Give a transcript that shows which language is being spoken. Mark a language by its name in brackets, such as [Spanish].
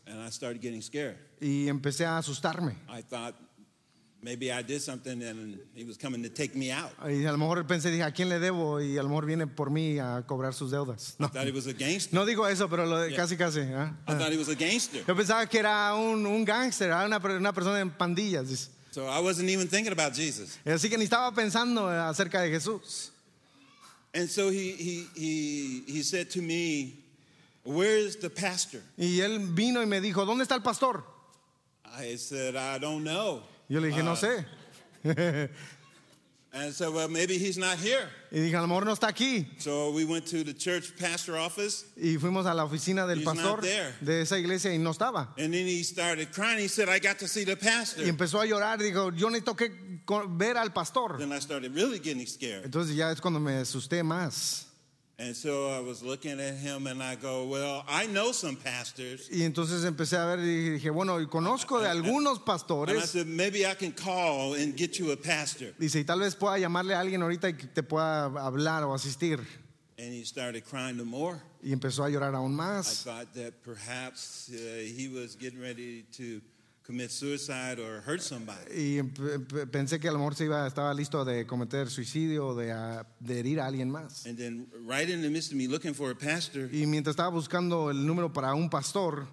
[English] And I started getting scared. [Spanish] Y empecé a asustarme. [English] I thought maybe I did something and he was coming to take me out. [Spanish] Y a lo mejor pensé, dije, ¿a quién le debo? Y a lo mejor viene por mí a cobrar sus deudas. [English] No. I thought he was a gangster. [Spanish] No digo eso, pero lo, yeah. casi. [English] I thought he was a gangster. [Spanish] Yo pensaba que era un gangster, una persona en pandillas. [English] So I wasn't even thinking about Jesus. [Spanish] Así que ni estaba pensando acerca de Jesús. [English] And so he said to me, where is the pastor? [Spanish] Y él vino y me dijo, ¿dónde está el pastor? [English] I said, I don't know. [Spanish] Yo le dije, no sé. [English] And so, well, maybe he's not here. [Spanish] Y dije, a lo mejor no está aquí. [English] So we went to the church pastor office. [Spanish] Y fuimos a la oficina del [English] he's [Spanish] pastor de esa iglesia y no estaba. [English] And then he started crying. He said, I got to see the pastor. [Spanish] Y empezó a llorar. Dijo, yo necesito que ver al pastor. [English] Then I started really getting scared. [Spanish] Entonces ya es cuando me asusté más. [English] And so I was looking at him and I go, well, I know some pastors. [Spanish] Y entonces empecé a ver y dije, bueno, conozco de algunos pastores. [English] And I said, maybe I can call and get you a pastor. [Spanish] Dice, y tal vez pueda llamarle a alguien ahorita y te pueda hablar o asistir. [English] And he started crying the more. [Spanish] Y empezó a llorar aún más. [English] I thought that perhaps he was getting ready to commit suicide or hurt somebody. [Spanish] Y pensé que a lo mejor estaba listo de cometer suicidio o de herir a alguien más. [English] And then right in the midst of me looking for a pastor. [Spanish] Y mientras estaba buscando el número para un pastor.